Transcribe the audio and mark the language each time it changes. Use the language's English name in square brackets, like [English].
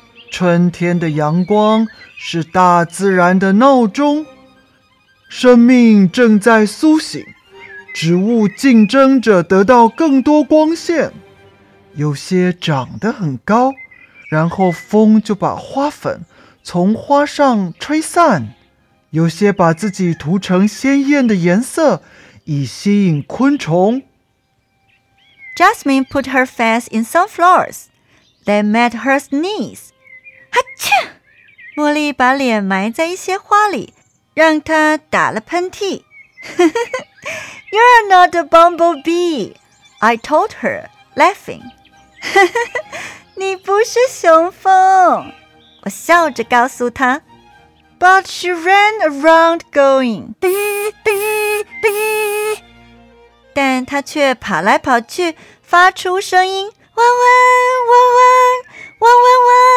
[Chinese] 春天的阳光是大自然的闹钟，生命正在苏醒，植物竞争着得到更多光线，有些长得很高，然后风就把花粉从花上吹散，有些把自己涂成鲜艳的颜色以吸引昆虫。 [English] Jasmine put her face in sunflowers. They made her sneeze. 哈嚏！ [Chinese] 茉莉把脸埋在一些花里，让她打了喷嚏。 [English] You're not a bumblebee, I told her, laughing. [Chinese] 你不是雄蜂，我笑着告诉她。 [English] But she ran around going, bee, bee, bee. [Chinese] 但她却跑来跑去，发出声音，嗡嗡嗡嗡嗡嗡嗡。